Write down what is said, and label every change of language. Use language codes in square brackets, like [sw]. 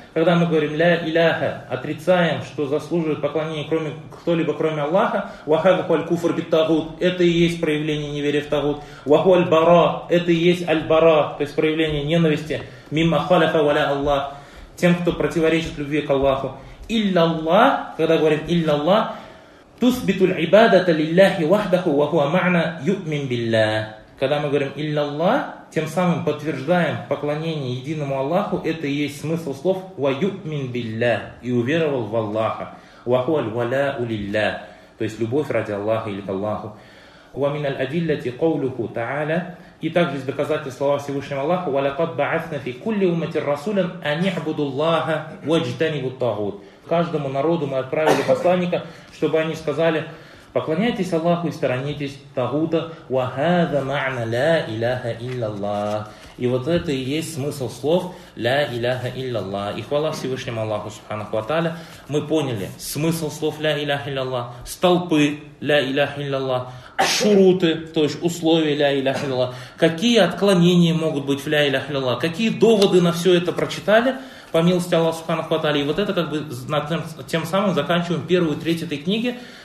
[ru] Когда мы говорим «ля иляха», отрицаем, что заслуживает поклонения кроме кто-либо, кроме Аллаха. [ar] «Вахаку аль куфр бит тагут» [ru] – это и есть проявление неверия в тагут. [ar] «Ваху аль бара» [ru] – это и есть аль-бара, то есть проявление ненависти. [ar] «Мимма халяха валя Аллах» [ru] – тем, кто противоречит любви к Аллаху. [ar] «Илля Аллах», [ru] когда говорим [ar] «илля Аллах», تُثْبِتُ الْعِبَادَةَ لِلَّهِ وَحْدَهُ وَهُوَ مَعْنَى يُؤْمِنْ بِاللَّهِ. [ru] Когда мы говорим «Илля Аллах», тем самым подтверждаем поклонение единому Аллаху, это и есть смысл слов [ar] «وَيُؤْمِنْ بِاللَّهِ» [ru] и уверовал в Аллаха. [ar] وَهُوَ الْوَلَاءُ لِلَّهِ, [ru] то есть любовь ради Аллаха или к Аллаху. [ar] وَمِنَ الْأَدِلَّةِ قَوْلُهُ تَعَالَى. [ru] И также из доказательств слова Всевышнего Аллаха [ar] «وَلَقَدْ بَعَثْنَ فِي كُلِّ أُمَّةِ الرَّسُولَ أَنْ يَعْبُدُ اللَّهَ وَاجْتَنِبُ الطَّاغُوتِ. [ru] Каждому народу мы отправили посланника, чтобы они сказали: поклоняйтесь Аллаху и сторонитесь тагута. [ar] وَهَذَا مَعْنَ لَا إِلَهَ إِلَّا اللَّهِ. [ru] И вот это и есть смысл слов «Ля иляха илля Аллах». И хвала Всевышнему Аллаху Субханаху ва Тааля. Мы поняли смысл слов «Ля иляха илля Аллах», столпы «Ля иляха илля Аллах», шуруты, то есть условия «Ля иляха илля Аллах», какие отклонения могут быть в «Ля иляха илля Аллах», какие доводы на все это прочитали по милости Аллаха Субханаху ва Тааля. И вот это как бы тем самым заканчиваем первую треть этой книги.